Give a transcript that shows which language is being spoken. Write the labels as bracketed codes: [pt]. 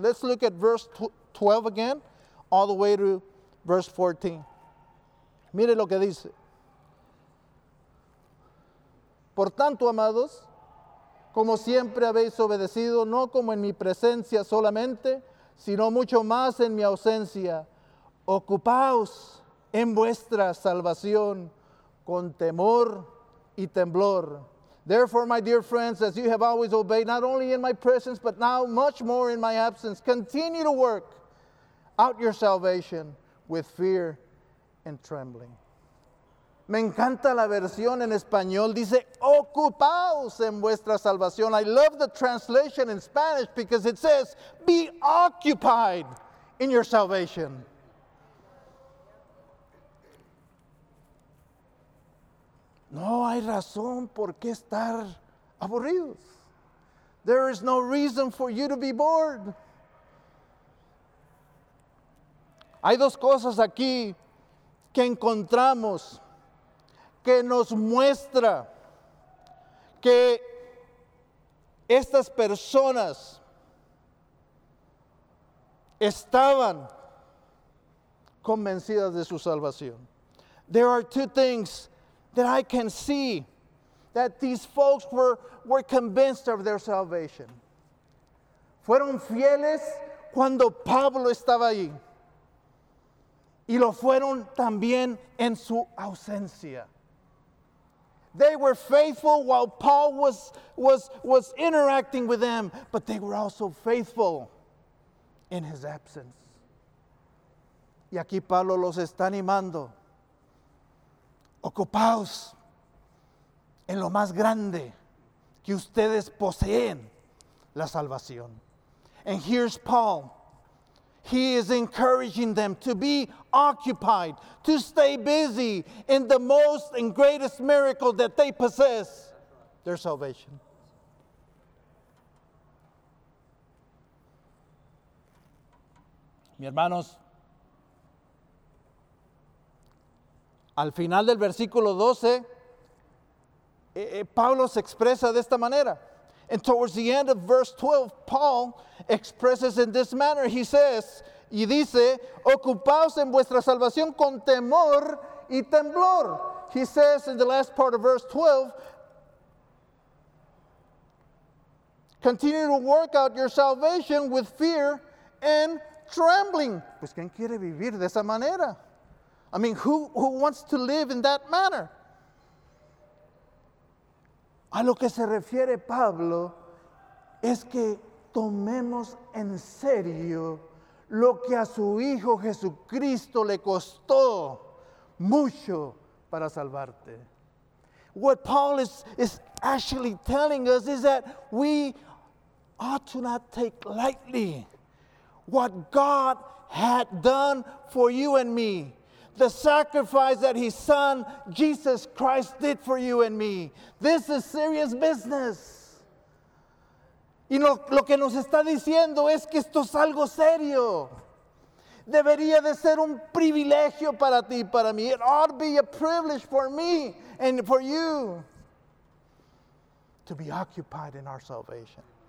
[en] Let's look at verse 12 again, all the way to verse 14. [es] Mire lo que dice. Por tanto, amados, como siempre habéis obedecido, no como en mi presencia solamente, sino mucho más en mi ausencia, ocupaos en vuestra salvación con temor y temblor. [en] Therefore, my dear friends, as you have always obeyed, not only in my presence, but now much more in my absence, continue to work out your salvation with fear and trembling. [es] Me encanta la versión en español. Dice, ocupaos en vuestra salvación. [en] I love the translation in Spanish because it says, be occupied in your salvation. [es] No hay razón por qué estar aburridos. [en] There is no reason for you to be bored. [es] Hay dos cosas aquí que encontramos que nos muestra que estas personas estaban convencidas de su salvación. [en] There are two things that I can see that these folks were convinced of their salvation. [es] Fueron fieles cuando Pablo estaba allí. Y lo fueron también en su ausencia. [en] They were faithful while Paul was interacting with them, but they were also faithful in his absence. [es] Y aquí Pablo los está animando. Ocupaos en lo más grande que ustedes poseen, la salvación. [en] And here's Paul. He is encouraging them to be occupied, to stay busy in the most and greatest miracle that they possess, their salvation. [es] Mi hermanos, al final del versículo 12, Pablo se expresa de esta manera. [en] And towards the end of verse 12, Paul expresses in this manner. He says, [es] y dice, ocupaos en vuestra salvación con temor y temblor. [en] He says in the last part of verse 12, continue to work out your salvation with fear and trembling. [es] Pues, ¿quién quiere vivir de esa manera? [en] I mean, who wants to live in that manner? [es] A lo que se refiere Pablo es que tomemos en serio lo que a su Hijo Jesucristo le costó mucho para salvarte. [en] What Paul is actually telling us is that we ought to not take lightly what God had done for you and me. The sacrifice that His Son, Jesus Christ, did for you and me. This is serious business. [es] Y lo que nos está diciendo es que esto es algo serio. Debería de ser un privilegio para ti, para mí. [en] It ought to be a privilege for me and for you to be occupied in our salvation.